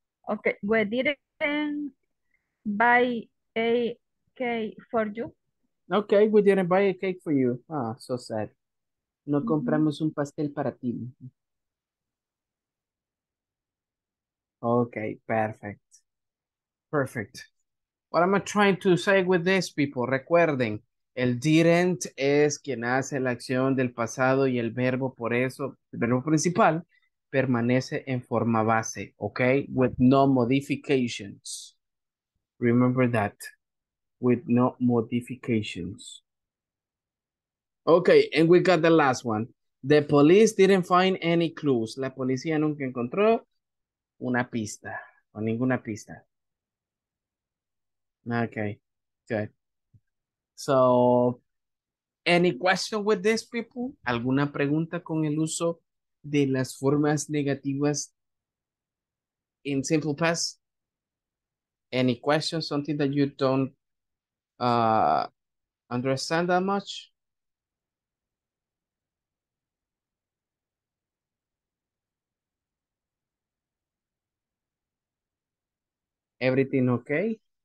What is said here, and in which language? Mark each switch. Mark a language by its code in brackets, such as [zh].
[en] Okay, we didn't buy a cake for you. Okay, we didn't buy a cake for you. Ah, so sad. [es] No compramos un pastel para ti. [en] Okay, perfect. Perfect. What am I trying to say with this, people? [es] Recuerden, el didn't es quien hace la acción del pasado y el verbo, por eso, el verbo principal, permanece en forma base, [en] okay? With no modifications. Remember that. With no modifications. Okay, and we got the last one. The police didn't find any clues. [es] La policía nunca encontró una pista, o ninguna pista. [en] Okay, good. So, any question with this, people? [es] ¿Alguna pregunta con el uso de las formas negativas [en] in simple past? Any question, something that you don't understand that much? Everything okay?